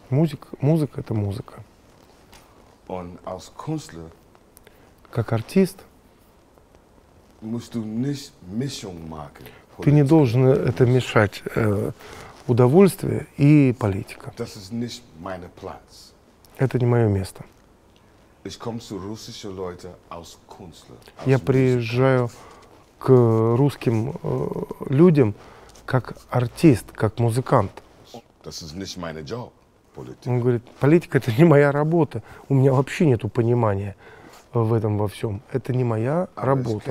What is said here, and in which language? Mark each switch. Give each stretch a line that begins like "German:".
Russian: Музыка – это музыка.
German: Und als Künstler,
Russian: как артист,
German: musst du nicht mischung machen,
Russian: ты не должен это мешать удовольствие и политика.
German: Das ist nicht meine Platz.
Russian: Это не мое место.
German: Ich komme zu russische Leute als Künstler, als
Russian: Я приезжаю к русским людям как артист, как музыкант.
German: Das ist nicht meine job, politik.
Russian: Он говорит, политика – это не моя работа. У меня вообще нету понимания в этом во всем. Это не моя работа.